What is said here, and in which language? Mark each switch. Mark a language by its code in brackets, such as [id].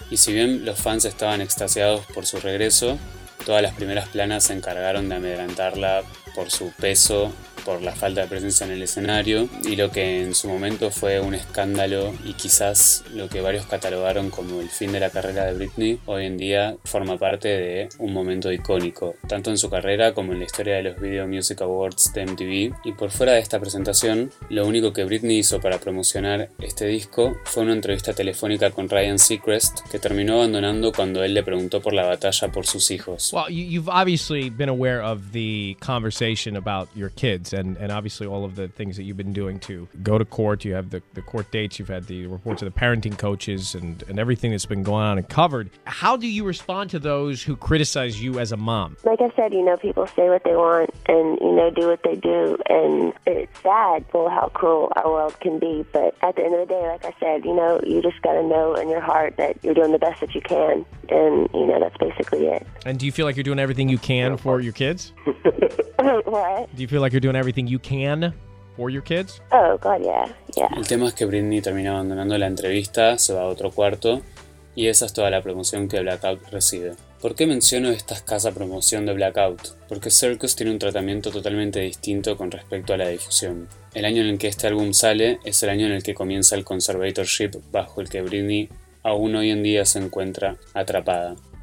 [es] Y si bien los fans estaban extasiados por su regreso, todas las primeras planas se encargaron de amedrentarla por su peso, por la falta de presencia en el escenario, y lo que en su momento fue un escándalo y quizás lo que varios catalogaron como el fin de la carrera de Britney, hoy en día forma parte de un momento icónico, tanto en su carrera como en la historia de los Video Music Awards de MTV. Y por fuera de esta presentación, lo único que Britney hizo para promocionar este disco fue una entrevista telefónica con Ryan Seacrest, que terminó abandonando cuando él le preguntó por la batalla por sus hijos. [en] Well, you've obviously been aware of the conversation about your kids. And obviously all of the things that you've been doing to go to court, you have the court dates, you've had the reports of the parenting coaches and everything that's been going on and covered. How do you respond to those who criticize you as a mom? Like I said, you know, people say what they want and, you know, do what they do, and it's sad for how cruel our world can be, but at the end of the day, like I said, you know, you just gotta know in your heart that you're doing the best that you can, and, you know, that's basically it. And do you feel like you're doing everything you can for your kids? What? Do you feel like you're doing everything you can for your kids? Oh, God, yeah. [es] El tema es que Britney termina abandonando la entrevista, se va a otro cuarto, y esa es toda la promoción que Blackout recibe. ¿Por qué menciono esta escasa promoción de Blackout? Porque Circus tiene un tratamiento totalmente distinto con respecto a la difusión. El año en el que este álbum sale es el año en el que comienza el conservatorship bajo el que Britney aún hoy en día se encuentra atrapada.